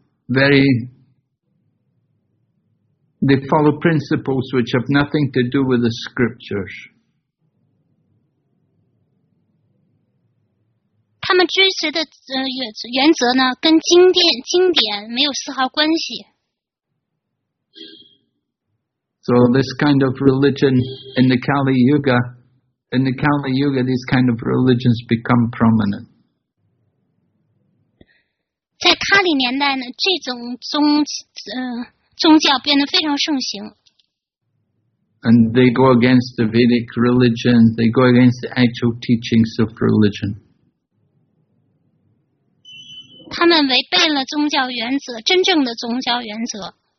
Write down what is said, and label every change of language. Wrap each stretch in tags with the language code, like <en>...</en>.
<en>They follow principles which have nothing to do with the scriptures.</en> <zh>他们追随的原则呢，跟经典没有丝毫关系。</zh> <en>So this kind of religion in the Kali Yuga, these kind of religions become prominent.</en> <zh>在卡里年代呢，这种宗教变得非常盛行。</zh> <en>And they go against the Vedic religion. They go against the actual teachings of religion.</en> <zh>他们违背了宗教原则，真正的宗教原则。</zh>